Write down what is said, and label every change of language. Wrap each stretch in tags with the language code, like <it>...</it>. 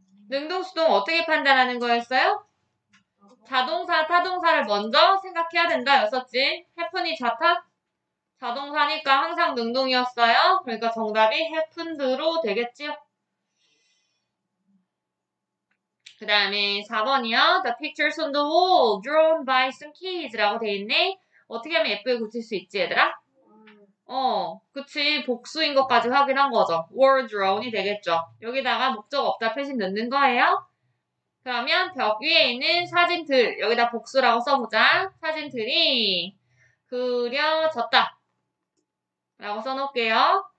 <ko>능동, 수동 어떻게 판단하는 거였어요? 자동사, 타동사를 먼저 생각해야 된다 였었지. 해픈이 자타? 자동사니까 항상 능동이었어요. 그러니까 정답이 해픈드로 되겠지요. 그 다음에 4번이요.</ko> <en>The pictures on the wall drawn by some kids</en> <ko>라고 돼 있네. 어떻게 하면 예쁘게 고칠 수 있지, 얘들아? 그치. 복수인 것까지 확인한 거죠. were drawn이 되겠죠. 여기다가 목적 없다 표시 넣는 거예요. 그러면 벽 위에 있는 사진들. 여기다 복수라고 써보자. 사진들이 그려졌다. 라고 써놓을게요.</ko>